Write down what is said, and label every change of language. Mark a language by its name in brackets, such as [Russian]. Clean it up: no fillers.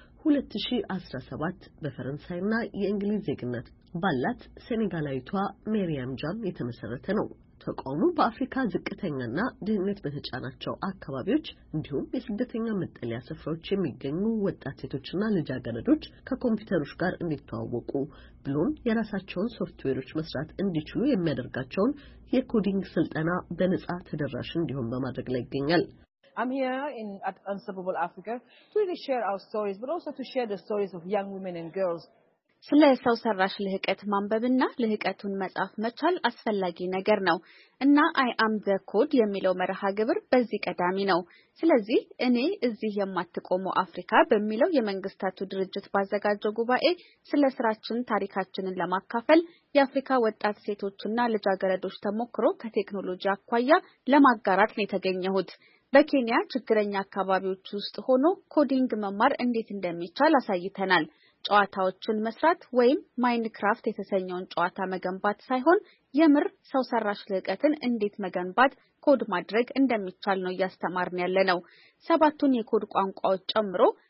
[Amharic] 2017 በፈረንሳይና የእንግሊዝ ዜግነት ባላት ሴኔጋላዊቷ ሜሪያም ጃም የተመሰረተ ነው። ተቋሙ በአፍሪካ ዝቅተኛና ድህነት በተጫናቸው አካባቢዎች እንዲሁም የስደተኛ መጠለያ ስፍራዎች የሚገኙ ወጣት ሴቶችና ልጃገረዶች ከኮምፒውተሮች ጋር እንዲተዋወቁ ብሎም የራሳቸውን ሶፍትዌሮች መስራት እንዲችሉ የሚያደርጋቸውን የኮዲንግ ስልጠና በነጻ ተደራሽ እንዲሆን በማድረግ ላይ ይገኛል። [English] I'm here in at Unstoppable Africa to really share our stories but also to share the stories of young women and girls. [Amharic] ስለ ሰው ሰራሽ ለህቀት ማንበብና ለህቀቱን መጻፍ መቻል አስፈላጊ ነገር ነው እና አይ አም ዘ ኮድ የሚለው መርሃ ግብር በዚህ ቀዳሚ ነው። ስለዚህ እኔ እዚህ የማትቆሙ አፍሪካ በሚለው የመንግስታቱ ድርጅት ባዘጋጀው ጉባኤ ስለ ስራችን ታሪካችንን ለማካፈል የአፍሪካ ወጣት ሴቶችና ልጃገረዶች ተሞክሮ ከቴክኖሎጂ አኳያ ለማጋራት ነው የተገኘሁት። በኬንያ ችግረኛ አካባቢዎች ውስጥ ሆኖ ኮዲንግ መማር እንዴት እንደሚቻል አሳይተናል። ጨዋታዎችን መስራት ወይም ማይንክራፍት የተሰኘውን ጨዋታ መገንባት ሳይሆን የምር ሰው ሰራሽ ልህቀትን እንዴት መገንባት ኮድ ማድረግ እንደሚቻል ነው ያስተማርን ያለነው። ሰባቱን የኮድ ቋንቋዎች ጨምሮ